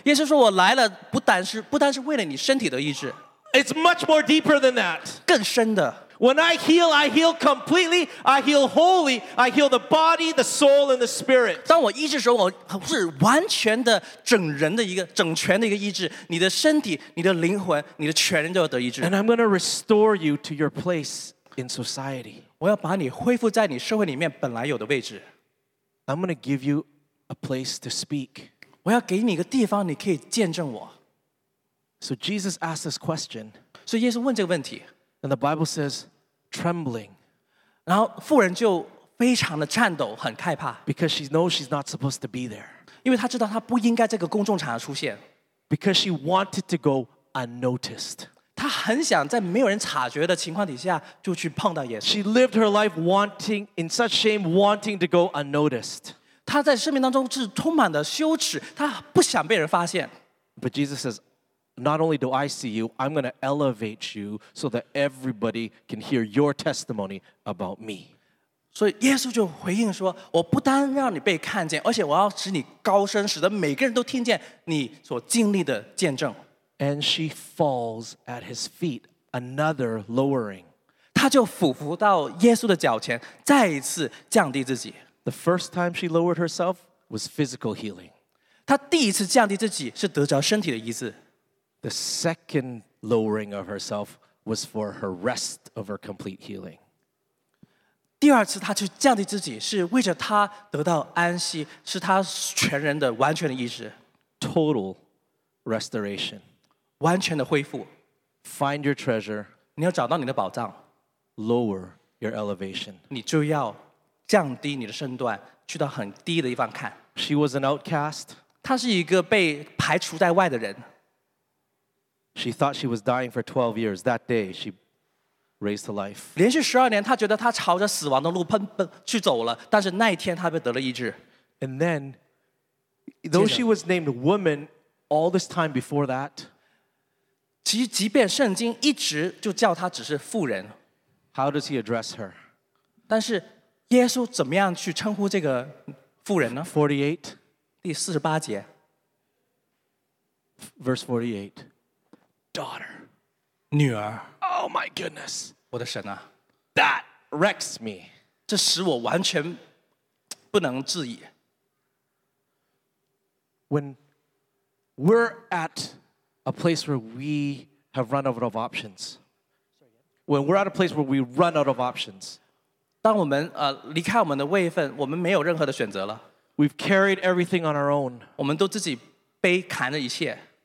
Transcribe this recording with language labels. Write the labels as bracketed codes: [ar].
[zh] 耶稣说，我来了不单是为了你身体的医治。 [en] It's much more deeper than that. [zh] 更深的。 [en] When I heal completely, I heal wholly, I heal the body, the soul, and the spirit. [zh] 当我医治的时候，我是完全的整人的一个整全的一个医治，你的身体、你的灵魂、你的全人都要得医治。 [en] And I'm going to restore you to your place in society. [zh] 我要把你恢复在你社会里面本来有的位置。 [en] I'm going to give you a place to speak. [zh] 我要给你一个地方，你可以见证我。 [en] So Jesus asked this question. [zh] 所以耶稣问这个问题。 [en] And the Bible says, trembling. [zh] 然后妇人就非常的颤抖，很害怕。 [en] Because she knows she's not supposed to be there. [zh] 因为她知道她不应该这个公众场合出现。 [en] Because she wanted to go unnoticed. [zh] 她很想在没有人察觉的情况底下就去碰到耶稣。 [en] She lived her life wanting, in such shame, wanting to go unnoticed. [zh] 她在生命当中是充满的羞耻，她不想被人发现。 [en] But Jesus says,Not only do I see you, I'm going to elevate you so that everybody can hear your testimony about me. [zh] 所以耶稣就回应说，我不单让你被看见，而且我要使你高升，使得每个人都听见你所经历的见证。 [en] And she falls at his feet, another lowering. [zh] 她就俯伏到耶稣的脚前，再一次降低自己。 [en] The first time she lowered herself was physical healing. [zh] 她第一次降低自己是得着身体的医治。 [en] The second lowering of herself was for her rest of her complete healing. [zh] 第二次她去降低自己是为着她得到安息，是她全人的完全的医治。 [en] Total restoration. [zh] 完全的恢复。 [en] Find your treasure. [zh] 你要找到你的宝藏。 [en] Lower your elevation. [zh] 你就要降低你的身段，去到很低的地方看。 [en] She was an outcast. [zh] 她是一个被排除在外的人。 [en] She thought she was dying for 12 years. That day, she raised to life. [zh] 连续十二年，她觉得她朝着死亡的路奔奔去走了。但是那一天，她被得了医治。 [en] And then, though she was named woman all this time before that, [zh] 其实即便圣经一直就叫她只是妇人， [en] how does he address her? [zh] 但是耶稣怎么样去称呼这个妇人呢？ [en] 48, [zh] 第四十八节， [en] verse 48. Daughter. [zh] 女儿 [en] Oh my goodness. [zh] 我的神啊 [en] That wrecks me. [zh] 这使我完全不能自已。 [en] When we're at a place where we have run out of options, when we're at a place where we run out of options, [zh] 当我们离开我们的位分，我们没有任何的选择了。 [en] We've carried everything on our own. [zh] 我们都自己背扛了一切。